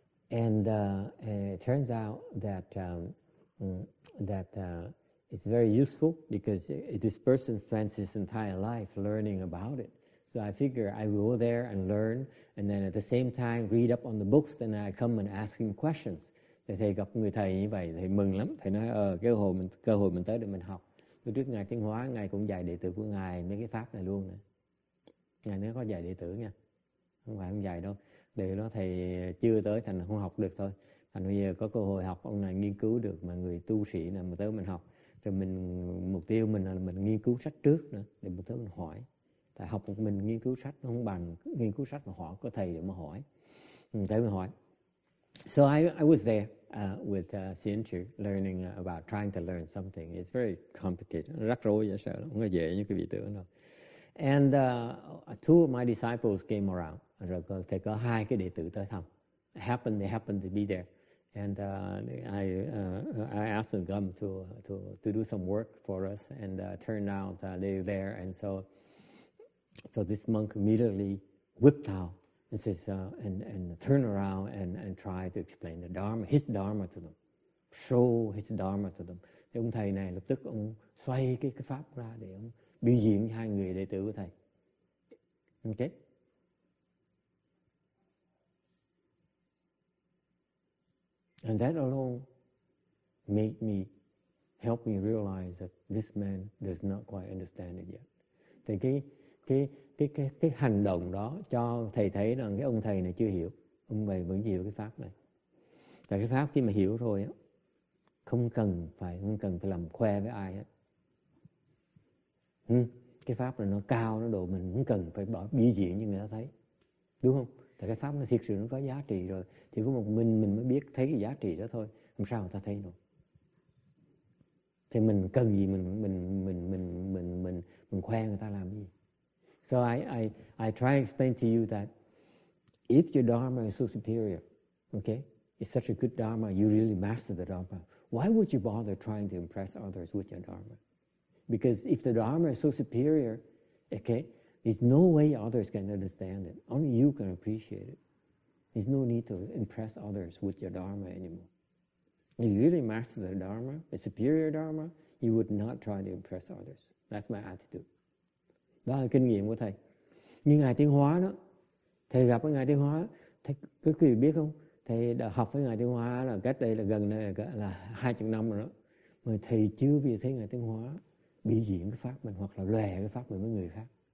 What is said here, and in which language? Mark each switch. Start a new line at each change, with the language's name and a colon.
English: And it turns out that it's very useful because this person spends his entire life learning about it. So I figure I will go there and learn, and then at the same time read up on the books, and I come and ask him questions.
Vietnamese: Thầy gặp người thầy như vậy, thầy mừng lắm. Thầy nói, cơ hội mình tới để mình học. Lúc trước Ngài Tiến Hóa, Ngài cũng dạy đệ tử của Ngài mấy cái pháp này luôn. Ngài nói có dạy đệ tử nha. Không phải không dạy đâu. Đệ đó thầy chưa tới, thành không học được thôi. Thành bây giờ có cơ hội học, ông này nghiên cứu được. Mà người tu sĩ này mà tới mình học. Rồi mình, mục tiêu mình là mình nghiên cứu sách trước nữa. Để mình tới mình hỏi. Tại học một mình nghiên cứu sách, không bằng nghiên cứu sách mà hỏi, có thầy để mà hỏi. Tới mình hỏi.
English: So I was there with Sienchu learning about trying to learn something. It's very complicated.
Vietnamese: Rắc rối dễ sợ, không có dễ như cái vị tưởng đâu.
English: And two of my disciples came around.
Vietnamese: Rồi thầy có hai cái đệ tử tới thăm.
English: They happened to be there. And I asked them come to do some work for us. And turned out they were there. And so this monk immediately whipped out. And says and turn around and try to explain the Dharma, his Dharma to them, show his Dharma to them.
Vietnamese: Thì ông thầy này lập tức ông xoay cái pháp ra để ông biểu diễn hai người đệ tử của thầy.
English: Okay. And that alone helped me realize that this man does not quite understand it yet.
Vietnamese: Thì cái hành động đó cho thầy thấy rằng cái ông thầy này chưa hiểu, ông thầy vẫn hiểu cái pháp này. Tại cái pháp khi mà hiểu rồi á, không cần phải làm khoe với ai hết. Cái pháp này nó cao, nó độ mình không cần phải bỏ biểu diễn cho người ta thấy, đúng không? Tại cái pháp nó thiệt sự nó có giá trị rồi, thì có một mình mới biết thấy cái giá trị đó thôi, làm sao người ta thấy được. Thì mình cần gì mình khoe người ta làm gì.
English: So I try to explain to you that if your Dharma is so superior, okay, it's such a good Dharma, you really master the Dharma, why would you bother trying to impress others with your Dharma? Because if the Dharma is so superior, okay, there's no way others can understand it. Only you can appreciate it. There's no need to impress others with your Dharma anymore. If you really master the Dharma, the superior Dharma, you would not try to impress others. That's my attitude.
Vietnamese: Đó là kinh nghiệm của Thầy. Như Ngài Tiên Hóa đó, Thầy gặp Ngài Tiên Hóa, Thầy có quý vị biết không? Thầy đã học với Ngài Tiên Hóa là cách đây là gần đây là 20 năm rồi đó. Mà Thầy chưa bao giờ thấy Ngài Tiên Hóa bị diễn cái pháp mình hoặc là lòe cái pháp mình với người khác.